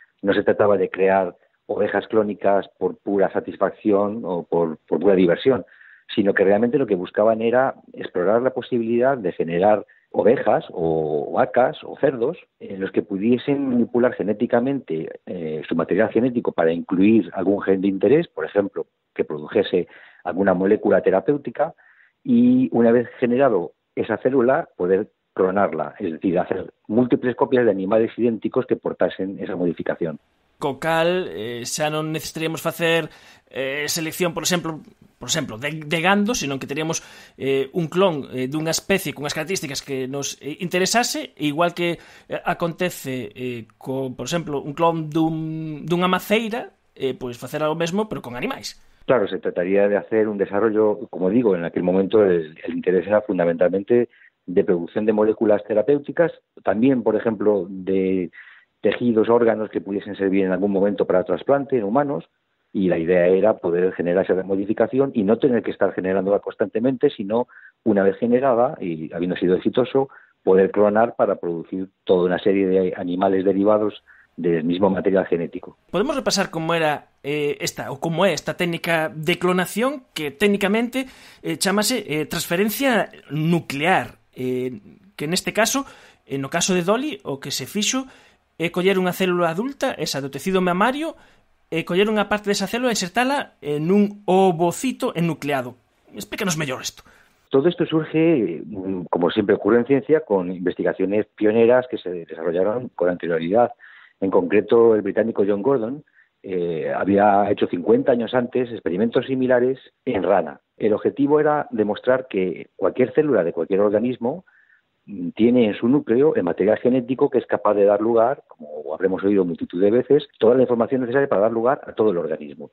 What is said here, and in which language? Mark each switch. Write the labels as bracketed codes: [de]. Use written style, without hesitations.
[es] No se trataba de crear ovejas clónicas por pura satisfacción o por pura diversión, sino que realmente lo que buscaban era explorar la posibilidad de generar ovejas o vacas o cerdos en los que pudiesen manipular genéticamente su material genético para incluir algún gen de interés, por ejemplo, que produjese alguna molécula terapéutica, y una vez generado esa célula, poder clonarla, es decir, hacer múltiples copias de animales idénticos que portasen esa modificación. [gl] Co cal, xa non necesitaríamos facer selección, por exemplo, de gando, senón que teríamos un clon dunha especie cunhas características que nos interesase, igual que acontece por exemplo, un clon dunha maceira, pois facer algo mesmo, pero con animais. [es] Claro, se trataría de hacer un desarrollo, como digo, en aquel momento el interés era fundamentalmente de producción de moléculas terapéuticas, también, por ejemplo, de tejidos, órganos que pudiesen servir en algún momento para trasplante en humanos, y la idea era poder generar esa modificación y no tener que estar generándola constantemente, sino una vez generada y habiendo sido exitoso, poder clonar para producir toda una serie de animales derivados del mismo material genético. ¿Podemos repasar cómo era esta técnica de clonación, que técnicamente [gl] chámase [es] transferencia nuclear? [gl] Que en este caso, en o caso de Dolly, o que se fixo é coller unha célula adulta, esa do tecido mamario, e coller unha parte desa célula e insertala nun ovocito enucleado. Explícanos mellor isto. [es] todo esto surge, como siempre ocurre en ciencia, con investigaciones pioneras que se desarrollaron con anterioridad. En concreto, el británico John Gordon había hecho 50 años antes experimentos similares en rana. El objetivo era demostrar que cualquier célula de cualquier organismo tiene en su núcleo el material genético que es capaz de dar lugar, como habremos oído multitud de veces, toda la información necesaria para dar lugar a todo el organismo.